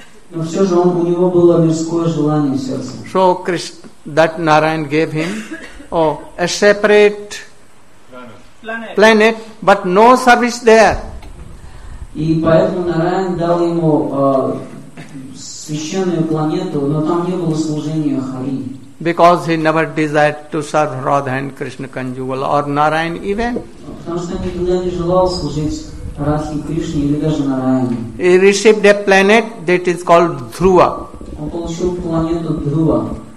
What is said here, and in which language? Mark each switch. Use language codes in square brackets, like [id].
[ru] Но все же у него было мирское желание в сердце. [en] So Krishna, that Narayan gave him. Oh, a separate planet, but no service there. [ru] И поэтому Нараян дал ему священную планету, но там не было служения Хари. [en] Because he never desired to serve Radha and Krishna conjugal or Narayan even. [ru] Потому что никогда не желал служить Радхе и Кришне или даже Нараяне. [en] He received a planet that is called Dhruva. [ru] Он получил планету Dhruva.